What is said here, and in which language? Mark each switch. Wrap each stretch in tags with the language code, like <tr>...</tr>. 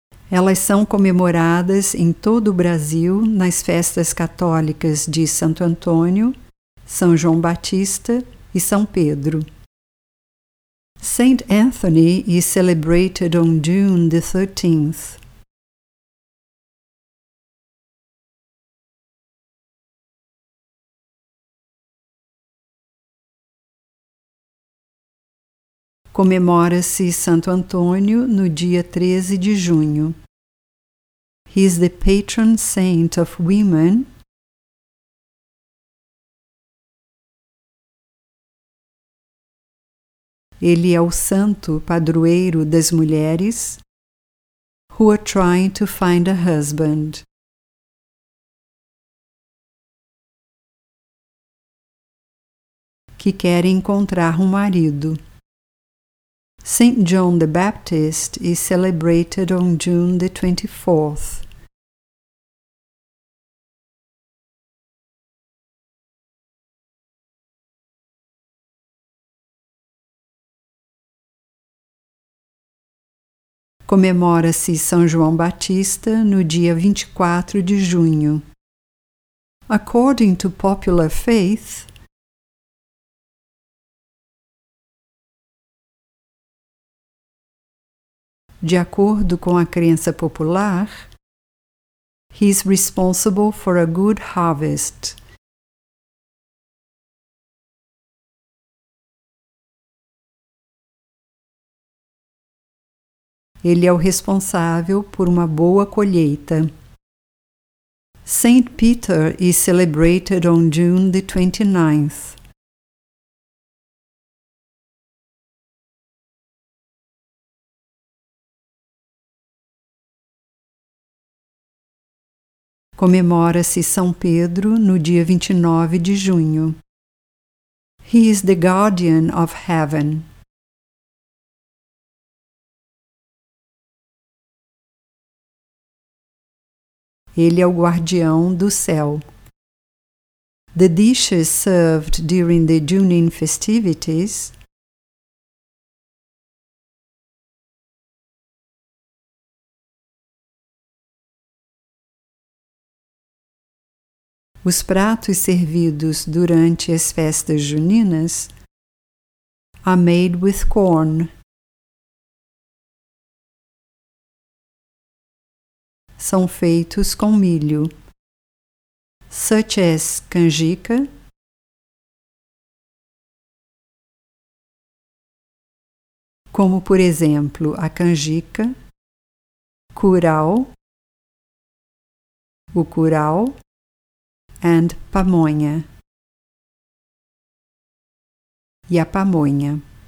<pt>Elas são comemoradas em todo o Brasil nas festas católicas de Santo Antônio, São João Batista e São Pedro.</pt> <en>Saint Anthony is celebrated on June the 13th.</en> <pt>Comemora-se Santo Antônio no dia 13 de junho.</pt> <en>He is the patron saint of women.</en> <pt>Ele é o santo padroeiro das mulheres</pt> <en>who are trying to find a husband.</en> <pt>Que querem encontrar um marido.</pt> <en>Saint John the Baptist is celebrated on June the 24th.</en> <pt>Comemora-se São João Batista no dia 24 de junho.</pt> <en>According to popular faith,</en> <pt>de acordo com a crença popular,</pt> <en>he is responsible for a good harvest.</en> <pt>Ele é o responsável por uma boa colheita.</pt> <en>Saint Peter is celebrated on June the 29th.</en> <pt>Comemora-se São Pedro no dia 29 de junho.</pt> <en>He is the guardian of heaven.</en> <pt>Ele é o guardião do céu.</pt> <en>The dishes served during the Junine festivities</en> <pt>Os pratos servidos durante as festas juninas</pt> <en>are made with corn.</en> <pt>são feitos com milho,</pt> <en>such as</en> <pt>canjica, como, por exemplo, a canjica, curau, o curau,</pt> <en>and pamonha,</en> <pt>e a pamonha.</pt>